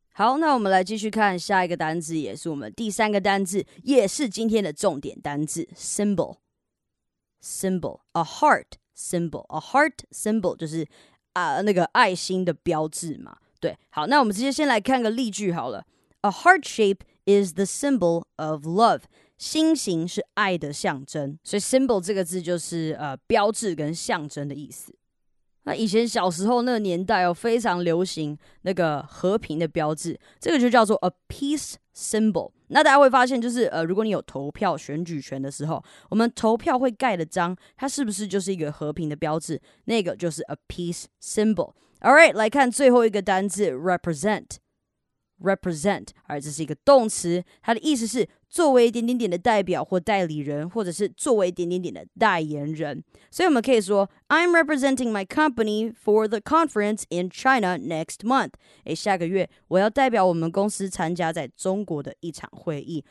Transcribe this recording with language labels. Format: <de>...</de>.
<zh>好，那我们来继续看下一个单字，也是我们第三个单字，也是今天的重点单字 Symbol A heart symbol A heart symbol 就是那个爱心的标志嘛。对，好，那我们直接先来看个例句好了。</zh> <en>A heart shape is the symbol of love.</en> <zh>心形是爱的象征。所以 symbol 这个字就是标志跟象征的意思。那以前小时候那个年代非常流行那个和平的标志。这个就叫做 a peace symbol。那大家会发现就是如果你有投票选举权的时候，我们投票会盖的章，它是不是就是一个和平的标志？那个就是 a peace symbol。 Alright, 来看最后一个单字 represent. Represent, 这是一个动词，它的意思是作为点点点的代表或代理人，或者是作为点点点的代言人。</zh> <en>所以我们可以说 I'm representing my company for the conference in China next month.</en> <zh>下个月我要代表我们公司参加在中国的一场会议。</zh>